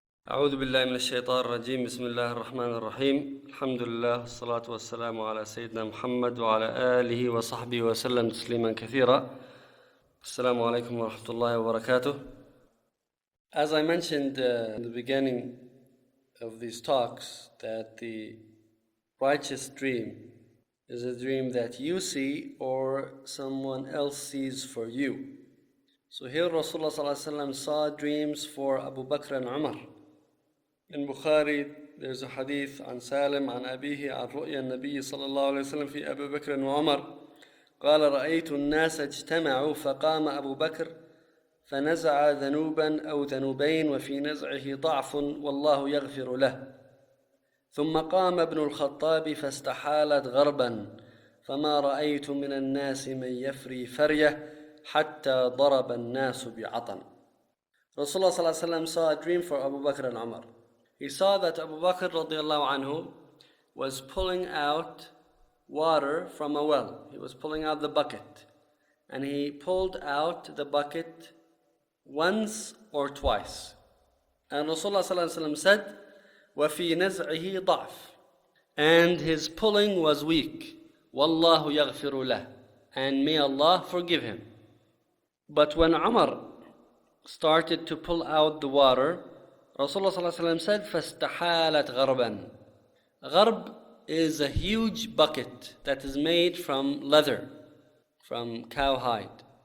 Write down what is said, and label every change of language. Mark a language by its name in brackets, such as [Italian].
[Arabic] أعوذ بالله من الشيطان الرجيم. بسم الله الرحمن الرحيم. الحمد لله والصلاة والسلام على سيدنا محمد وعلى آله وصحبه وسلم تسليما كثيرا. السلام عليكم ورحمة الله وبركاته. [English] As I mentioned in the beginning of these talks, that the righteous dream is a dream that you see or someone else sees for you. So here Rasulullah صلى الله عليه وسلم saw dreams for Abu Bakr and Umar. In Bukhari, there's a hadith [Arabic] عن سالم عن أبيه عن رؤيا النبي صلى الله عليه وسلم في أبي بكر وعمر قال رأيت الناس اجتمعوا فقام أبو بكر فنزع ذنوبا أو ذنوبين وفي نزعه ضعف والله يغفر له ثم قام ابن الخطاب فاستحالت غربا فما رأيت من الناس من يفري فرية حتى ضرب الناس بعطن. [English] رسول الله صلى الله عليه وسلم saw a dream for أبو بكر وعمر. He saw that Abu Bakr radiallahu anhu was pulling out water from a well. He was pulling out the bucket. And he pulled out the bucket once or twice. And Rasulullah صلى الله عليه وسلم said, [Arabic] وَفِي نَزْعِهِ ضَعْفِ. [English] And his pulling was weak. [Arabic] وَاللَّهُ يَغْفِرُ لَهُ. [English] And may Allah forgive him. But when Umar started to pull out the water, Rasulullah صلى الله عليه وسلم said, [Arabic] فَاسْتَحَالَتْ غَرْبًا. [English] غَرْب is a huge bucket that is made from leather, from cowhide.